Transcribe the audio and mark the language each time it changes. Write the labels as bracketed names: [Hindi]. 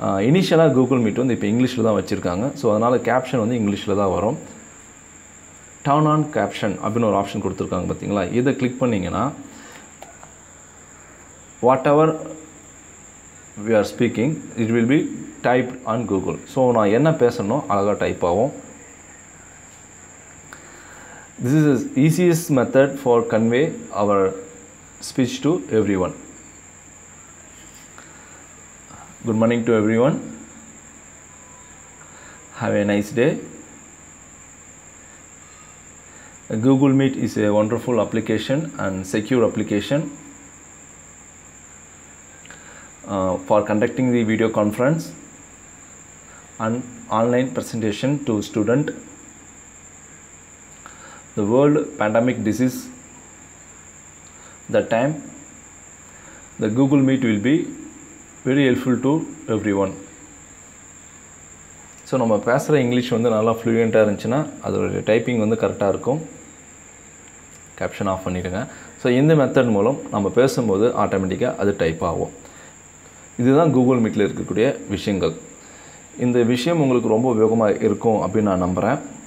[Tamil] இனிஷியலாக Google meet வந்து இப்போ இங்கிலீஷில் தான் வச்சுருக்காங்க, ஸோ அதனால் கேப்ஷன் வந்து இங்கிலீஷில் தான் வரும். [English] turn on caption [Tamil] அப்படின்னு ஒரு ஆப்ஷன் கொடுத்துருக்காங்க பார்த்தீங்களா, இதை கிளிக் பண்ணிங்கன்னா [English] Whatever we are speaking it will be typed on Google. [Tamil] So na enna pesano alaga type avom. [English] This is the easiest method for convey our speech to everyone. Good morning to everyone, have a nice day. Google Meet is a wonderful application and secure application for conducting the video conference and online presentation to student. The world pandemic disease, the time, the Google Meet will be very helpful to everyone. [Tamil] So நம்ம பேசுகிற English வந்து நல்லா ஃப்ளூயண்ட்டாக இருந்துச்சுன்னா அதோடய typing வந்து கரெக்டாக இருக்கும். Caption of பண்ணிவிடுங்க. ஸோ இந்த மெத்தட் மூலம் நம்ம பேசும்போது ஆட்டோமேட்டிக்காக அது டைப் ஆகும். இதுதான் கூகுள் மீட்டில் இருக்கக்கூடிய விஷயங்கள். இந்த விஷயம் உங்களுக்கு ரொம்ப உபயோகமாக இருக்கும் அப்படின்னு நான் நம்புகிறேன்.